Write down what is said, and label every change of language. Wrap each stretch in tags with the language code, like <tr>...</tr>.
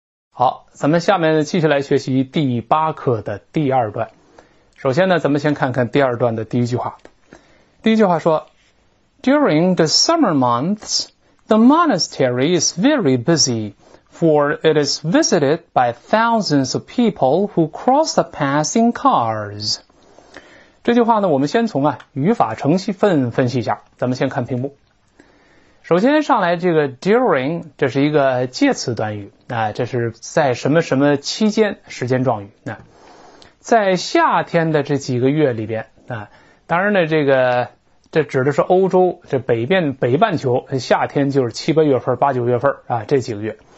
<zh>好，咱们下面继续来学习第八课的第二段。首先呢，咱们先看看第二段的第一句话。第一句话说，</zh> <en>During the summer months, the monastery is very busy, for it is visited by thousands of people who cross the passing cars。</en> <zh>这句话呢，我们先从语法程序分析一下。咱们先看屏幕。首先上来这个 during， 这是一个介词短语，这是在什么什么期间时间状语。在夏天的这几个月里边，当然呢，这指的是欧洲这北半球，夏天就是七八月份、八九月份啊，这几个月。</zh>